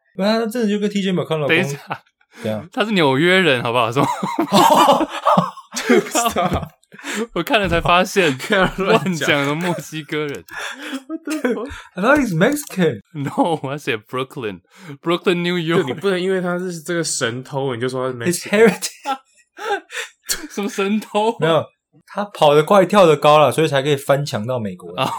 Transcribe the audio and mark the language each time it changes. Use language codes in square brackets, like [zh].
[zh] 那他真的就跟 TJ McConnell 等一下，对啊，他是纽约人，好不好？什么？对不起，我看了才发现，乱讲的墨西哥人。 [en] I thought he's Mexican. No, I said Brooklyn, Brooklyn, New York. [zh] 你不能因为他是这个神偷，你就说他是 Mexican. [en] His heritage. [zh] 什么神偷、啊？没有，他跑得快，跳得高啦，所以才可以翻墙到美国。